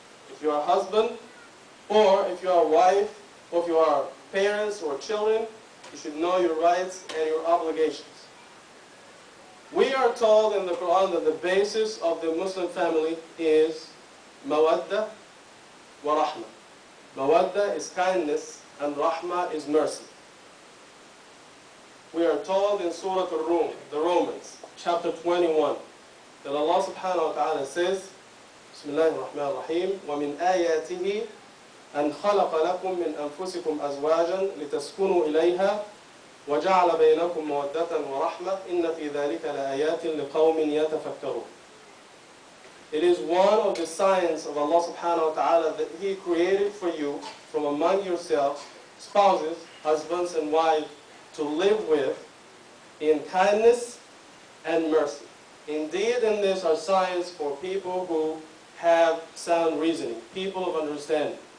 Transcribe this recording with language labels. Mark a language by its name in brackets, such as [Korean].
[English] If you are a husband, or if you are a wife, or if you are parents or children, you should know your rights and your obligations. We are told in the Quran that the basis of the Muslim family is mawadda wa rahma. Mawadda is kindness and rahma is mercy. We are told in Surah Ar-Rum, the Romans, chapter 21, that Allah subhanahu wa ta'ala says, Bismillahir Rahmanir Rahim, [Arabic] وَمِنْ آيَاتِهِ أَنْ خَلَقَ لَكُمْ مِنْ أَنفُسِكُمْ أَزْوَاجًا لِتَسْكُنُوا إِلَيْهَا وَجَعْلَ بَيْنَكُمْ مَوَدَّةً وَرَحْمَةً إِنَّ فِي ذَلِكَ لَآيَاتٍ لِقَوْمٍ يَتَفَكَّرُونَ. [English] It is one of the signs of Allah subhanahu wa ta'ala that He created for you from among yourselves, spouses, husbands and wives, to live with in kindness and mercy. Indeed, in this are signs for people who have sound reasoning, people of understanding.